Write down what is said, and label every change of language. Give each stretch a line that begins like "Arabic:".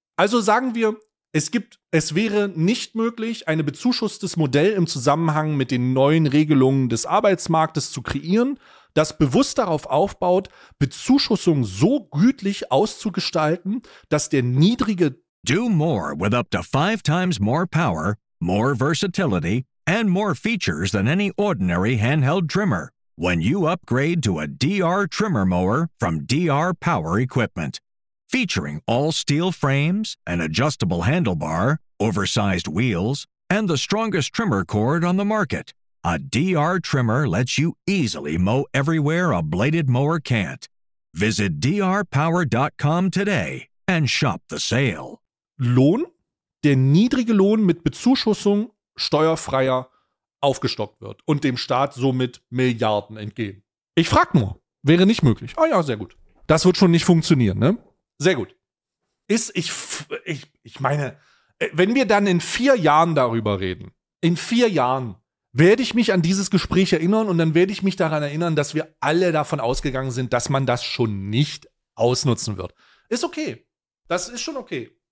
German: Also sagen wir, es wäre nicht möglich, ein bezuschusstes Modell im Zusammenhang mit den neuen Regelungen des Arbeitsmarktes zu kreieren, das bewusst darauf aufbaut, Bezuschussung so gütlich auszugestalten, dass der niedrige...
English: Do more with up to 5 times more power, more versatility, and more features than any ordinary handheld trimmer when you upgrade to a DR trimmer mower from DR Power Equipment. Featuring all steel frames, an adjustable handlebar, oversized wheels, and the strongest trimmer cord on the market, a DR trimmer lets you easily mow everywhere a bladed mower can't. Visit drpower.com today and shop the sale.
German: Lohn, der niedrige Lohn mit Bezuschussung steuerfreier aufgestockt wird und dem Staat somit Milliarden entgehen. Ich frag nur, wäre nicht möglich. Ah ja, sehr gut. Das wird schon nicht funktionieren, ne? Sehr gut. Ich meine, wenn wir dann in 4 Jahren darüber reden, in 4 Jahren werde ich mich an dieses Gespräch erinnern und dann werde ich mich daran erinnern, dass wir alle davon ausgegangen sind, dass man das schon nicht ausnutzen wird. Ist okay. Das ist schon okay.